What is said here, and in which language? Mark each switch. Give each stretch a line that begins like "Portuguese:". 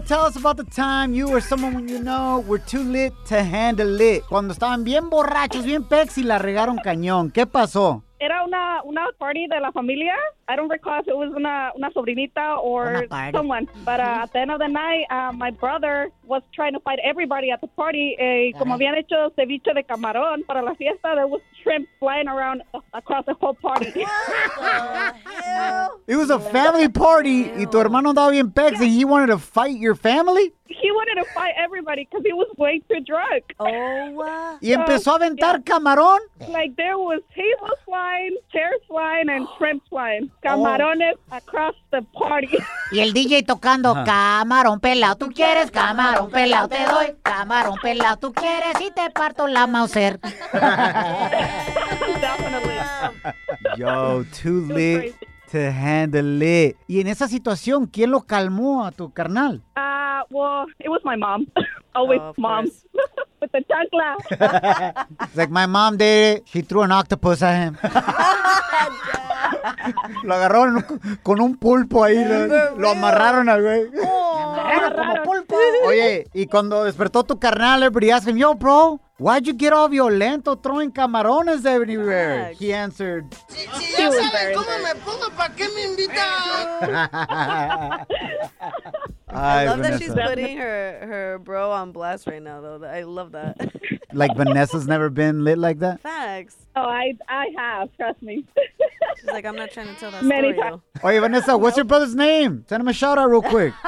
English: Tell us about the time you or someone you know were too lit to handle it.
Spanish: Cuando estaban bien borrachos, bien pecs y la regaron cañón. ¿Qué pasó? Era una
English: party
Spanish: de la familia.
English: I don't recall if it was
Spanish: una sobrinita
English: or someone. But at the end of the night, my brother was trying to fight everybody at the party.
Spanish: Como habían hecho ceviche de camarón para la fiesta,
English: there was shrimp flying around across the whole party. It was a family party. Ew.
Spanish: Y tu hermano andaba bien pex
English: and he wanted to fight your family? He wanted to fight everybody because he was way too drunk.
Spanish: Y empezó a aventar camarón?
English: Like there was hazel flying, chairs flying, and shrimp flying.
Spanish: Camarones
English: across the party.
Spanish: Y el DJ tocando camarón pelado. Tú quieres camarón pelado, te doy camarón pelado. Tú quieres y te parto la Mauser.
English: Definitely. Yo, too lit to handle it.
Spanish: Y en esa situación, ¿quién lo calmó a tu carnal?
English: Well, it was my mom. Always mom. With the tongue laugh. It's like my mom did it. She threw an octopus at him.
Spanish: Lo agarraron con un pulpo ahí. Lo amarraron al güey. Como pulpo. Oye, y cuando despertó tu carnal,
English: everybody asked him, yo, bro, why'd you get all violento throwing camarones everywhere? He answered,
Spanish: ya saben cómo me pongo, ¿para qué me invitan?
English: I love Vanessa. That she's putting her bro on blast right now, though. I love that. Like Vanessa's never been lit like that? Facts. Oh, I have, trust me. She's like, I'm not trying to tell that many story. Many times. Oye, Vanessa, what's your brother's name? Send him a shout out real quick.